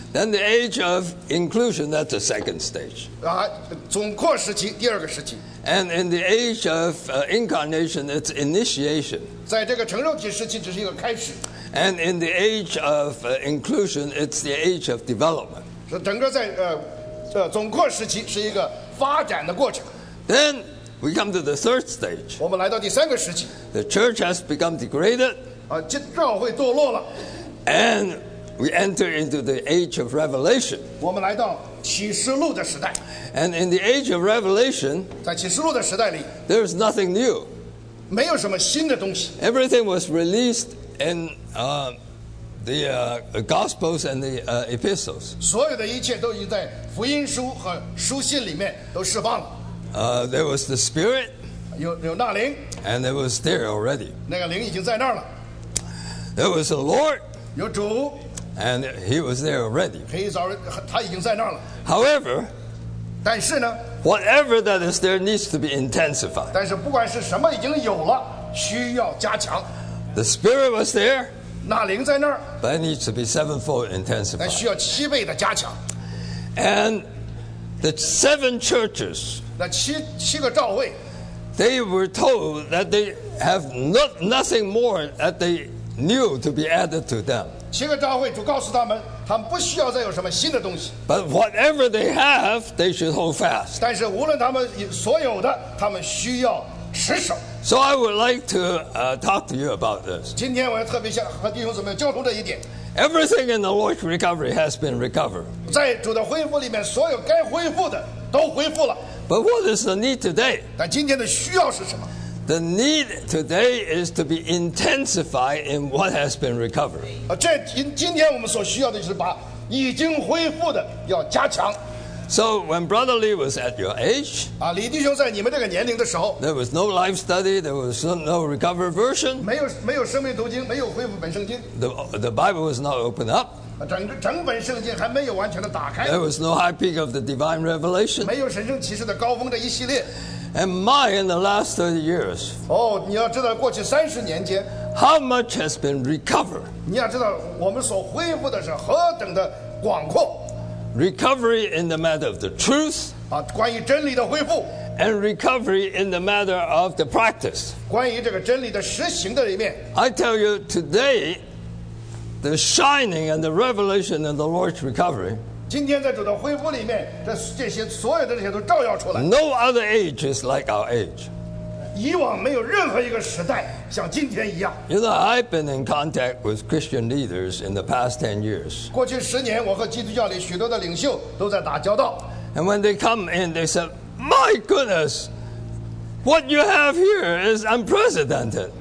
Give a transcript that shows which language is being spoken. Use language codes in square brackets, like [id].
[en] Then the age of inclusion, that's the second stage. [zh] 总括时期，第二个时期。 [en] And in the age of incarnation, it's initiation. [zh] 在这个成肉体时期，只是一个开始。 [en] And in the age of inclusion, it's the age of development. [zh] 整个在总括时期是一个发展的过程。 [en] Then we come to the third stage. [zh] 我们来到第三个时期。 [en] The church has become degraded. [zh] 教会堕落了。 [en] And We enter into the age of revelation. [zh] 我们来到启示录的时代。 [en] And in the age of revelation, [zh] 在启示录的时代里， [en] there is nothing new. [zh] 没有什么新的东西。 [en] Everything was released in the gospels and the epistles. [zh] 所有的一切都已在福音书和书信里面都释放了。 [en] There was the Spirit. [zh] 有那灵。 [en] And it was there already. [zh] 那个灵已经在那儿了。 [en] There was the Lord. [zh] 有主。 [en] And he was there already. [zh] 他已经在那儿了。 [en] However, [zh] 但是呢， [en] whatever that is there needs to be intensified. [zh] 但是不管是什么已经有了，需要加强。 [en] The Spirit was there. [zh] 那灵在那儿。 [en] But it needs to be sevenfold intensified. [zh] 但需要七倍的加强。 [en] And the seven churches. [zh] 那七个召会。 [en] They were told that they have nothing more that they knew to be added to them. [zh] 七个召会主告诉他们，他们不需要再有什么新的东西。 [en] But whatever they have, they should hold fast. [zh] 但是无论他们所有的，他们需要持守。 [en] So I would like to talk to you about this. [zh] 今天我要特别想和弟兄姊妹交通这一点。 [en] Everything in the Lord's recovery has been recovered. [zh] 在主的恢复里面，所有该恢复的都恢复了。 [en] But what is the need today? [zh] 但今天的需要是什么？ [en] The need today is to be intensified in what has been recovered. [zh] 这今天我们所需要的就是把已经恢复的要加强。 [en] So when Brother Lee was at your age, [zh] 李弟兄在你们这个年龄的时候， [en] there was no life study, there was no recovered version. [zh] 没有生命读经，没有恢复本圣经。 [en] The Bible was not opened up. [zh] 整本圣经还没有完全的打开。 [en] There was no high peak of the divine revelation. [zh] 没有神圣启示的高峰这一系列。 [en] And my, in the last 30 years. [zh] 你要知道过去三十年间。 [en] How much has been recovered? [zh] 你要知道我们所恢复的是何等的广阔。 [en] Recovery in the matter of the truth. [zh] 关于真理的恢复。 [en] And recovery in the matter of the practice. [zh] 关于这个真理的实行的里面。 [en] I tell you today. The shining and the revelation and the Lord's recovery. [zh] 今天在主的恢复里面，这些所有的这些都照耀出来。 [en] No other age is like our age. [zh] 以往没有任何一个时代像今天一样。 [en] You know, I've been in contact with Christian leaders in the past 10 years. [zh] 过去十年，我和基督教里许多的领袖都在打交道。 [en] And when they come in, they said, "My goodness, what you have here is unprecedented."